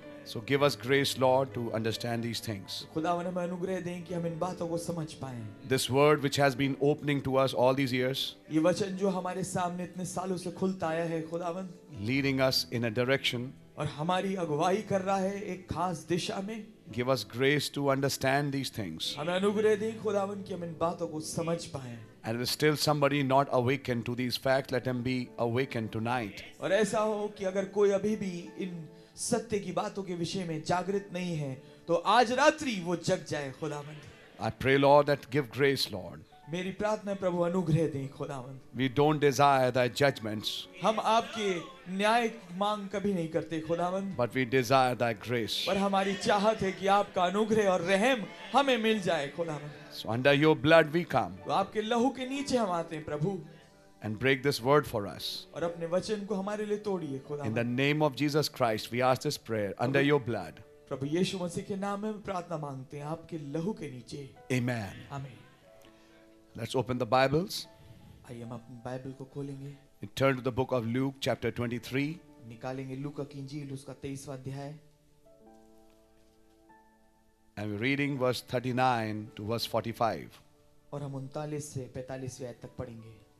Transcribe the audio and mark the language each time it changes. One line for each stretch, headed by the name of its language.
English: So give us grace, Lord, to understand these things.
Hindi: खुदावन हमें अनुग्रह दें कि हम इन बातों को समझ पाएं.
English: This word which has been opening to us all these years.
Hindi: ये वचन जो हमारे सामने इतने सालों से खुलता आया है, खुदावन.
English: Leading us in a direction.
Hindi: और हमारी अगुवाई कर रहा है एक खास दिशा में.
English: Give us grace to understand these things.
Hindi: हमें अनुग्रह दें खुदावन कि हम इन बातों को समझ पाएं.
English: And if still somebody not awakened to these facts, let him be awakened tonight.
Hindi: और ऐसा हो कि अगर कोई अभी भी इन सत्य की बातों के विषय में जागृत नहीं है तो आज रात्रि वो जग जाए खुदावंद.
English: I pray, Lord, that give grace, Lord.
Hindi: मेरी प्रार्थना प्रभु अनुग्रह दें खुदावंद.
English: We don't desire thy judgments.
Hindi: हम आपके न्याय मांग कभी नहीं करते खुदावंद.
English: But we desire thy grace.
Hindi: पर हमारी चाहत है कि आपका अनुग्रह और रहम हमें मिल जाए खुदावंद.
English: So under your blood we come.
Hindi: आपके लहू के नीचे हम आते हैं प्रभु.
English: And break this word for us.
Hindi: और अपने वचन को हमारे लिए तोड़िए खुदा.
English: In the name of Jesus Christ, we ask this prayer under your blood.
Hindi: प्रभु यीशु मसीह के नाम में प्रार्थना मांगते हैं आपके लहू के नीचे.
English: Amen. Amen. Let's open the Bibles.
Hindi: आइए हम अपने बाइबल को खोलेंगे.
English: And turn to the book of Luke, chapter 23.
Hindi: निकालेंगे लूका की इंजील उसका 23वां अध्याय.
English: And we're reading verse 39 to verse 45.
Hindi: और हम 39 से 45वीं आयत तक पढ़ेंगे.